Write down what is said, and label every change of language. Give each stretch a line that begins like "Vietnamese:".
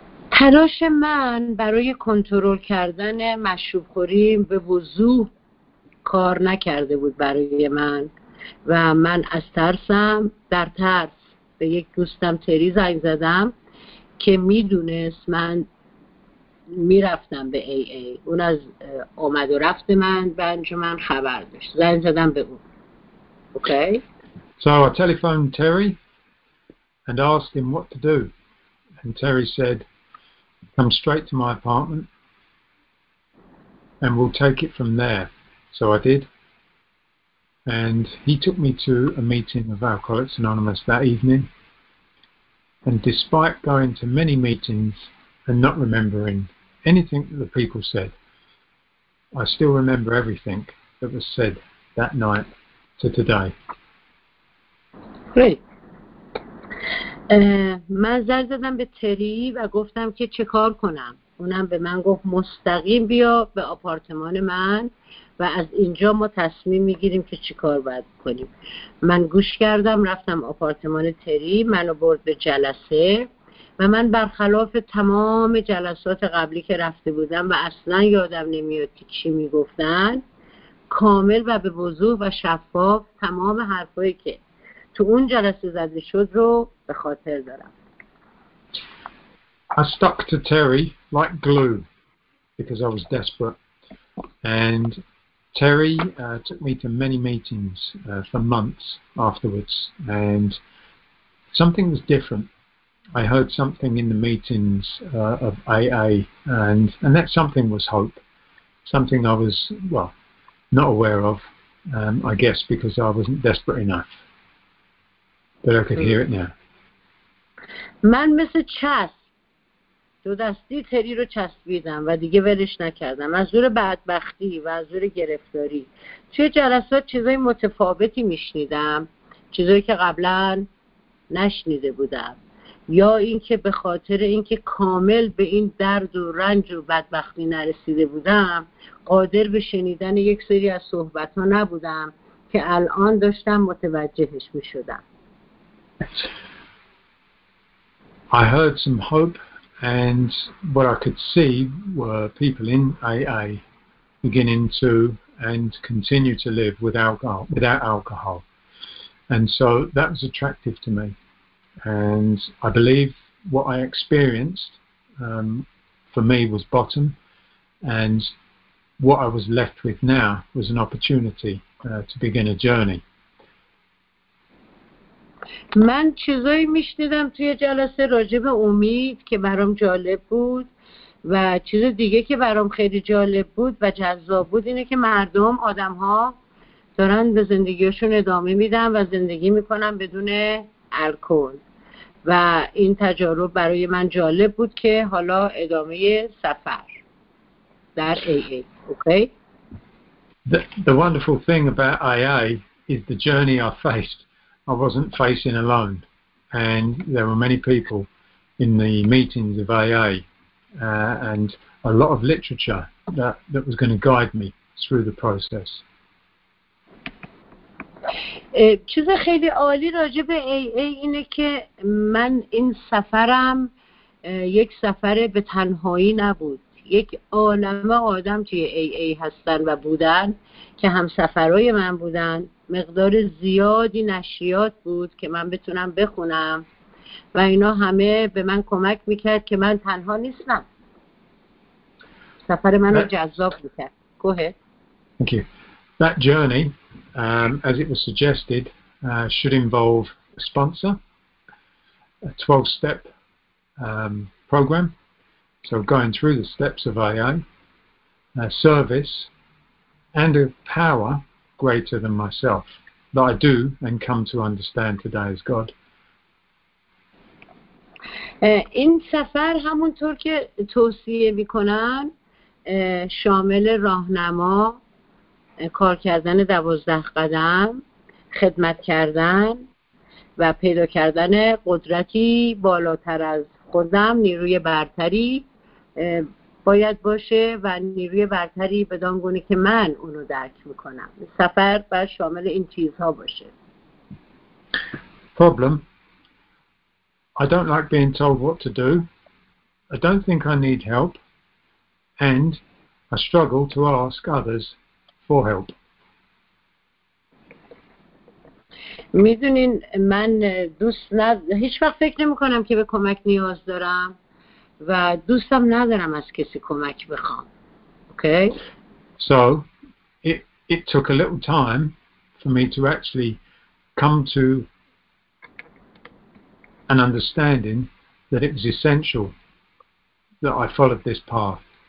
Persian: تلاش من برای کنترل کردن مشروب خوری به وضوح کار نکرده بود برای من، و من از ترسم، در ترس به یک دوستم تری زنگ زدم که میدونست من میرفتم به ای ای، اون از آمد و رفت من به انجمن خبر داشت، زنگ زدم به اون.
English: Okay? So I telephoned Terry and asked him what to do, and Terry said, come straight to my apartment and we'll take it from there. So I did. And he took me to a meeting of Alcoholics Anonymous that evening. And despite going to many meetings and not remembering anything that the people said, I still remember everything that was said that night to today. Great.
Persian: من زنگ زدم به تری و گفتم که چه کار کنم. اونم به من گفت مستقیم بیا به آپارتمان من و از اینجا ما تصمیم میگیریم که چه کار باید کنیم. من گوش کردم، رفتم آپارتمان تری، منو برد به جلسه و من برخلاف تمام جلسات قبلی که رفته بودم و اصلا یادم نمیاد که چی میگفتن، کامل و به وضوح و شفاف تمام حرفایی که تو اون جلسه زده شد رو به خاطر دارم.
English: I stuck to Terry like glue because I was desperate, and Terry took me to many meetings for months afterwards, and something was different. I heard something in the meetings of AA, and that something was hope, something I was, well, not aware of, I guess because I wasn't desperate enough. But I could hear it now.
Persian: من مثل چسب دو دستی تری رو چسبیدم و دیگه ولش نکردم، از زور بدبختی و از زور گرفتاری. توی جلسات چیزای متفاوتی میشنیدم، چیزایی که قبلا نشنیده بودم، یا اینکه به خاطر اینکه کامل به این درد و رنج و بدبختی نرسیده بودم، قادر به شنیدن یک سری از صحبت ها نبودم که الان داشتم متوجهش میشدم.
English: I heard some hope, and what I could see were people in AA beginning to and continue to live without alcohol. And so that was attractive to me. And I believe what I experienced for me was bottom. And what I was left with now was an opportunity to begin a journey.
Persian: من چیزایی میشنیدم توی جلسه راجب امید که برام جالب بود و چیز دیگه که برام خیلی جالب بود و جذاب بود اینه که مردم آدم ها دارن به زندگیشون ادامه میدن و زندگی میکنن بدون الکل و این تجارب برای من جالب بود که حالا ادامه سفر در AA.
English: Okay? The wonderful thing about AA is the journey I faced. I wasn't facing alone, and there were many people in the meetings of AA and a lot of literature that was going to guide me through the process.
Persian: چیز خیلی عالی راجع به AA اینه که من این سفرم یک سفر به تنهایی نبود. یک عالمه آدم توی AA هستن و بودن که هم سفرای من بودن. مقدار زیادی نشریات بود که من بتونم بخونم و اینا همه به من کمک میکرد که من تنها نیستم. سفر منو جذاب میکرد.
English: Go ahead. Thank you. That journey, as it was suggested, should involve a sponsor, a 12-step program, so going through the steps of AA, a service, and a power greater than myself that I do and come to understand today as God.
Persian: این سفر همونطور که توصیه میکنن شامل راهنما، کار کردن 12 قدم، خدمت کردن و پیدا کردن قدرتی بالاتر از خودم، نیروی برتری باید باشه و نیروی برتری بدان گونه که من اونو درک میکنم. سفر باید شامل این چیزها باشه.
English: Problem. I don't like being told what to do. I don't think I need help. And I struggle to ask others for help.
Persian: میدونین من دوست هیچ وقت فکر نمیکنم که به کمک نیاز دارم. و دوستم ندارم از کسی کمک بخوام.
English: Okay? So it took a little time for me to actually come to an understanding that it was essential that I followed this path.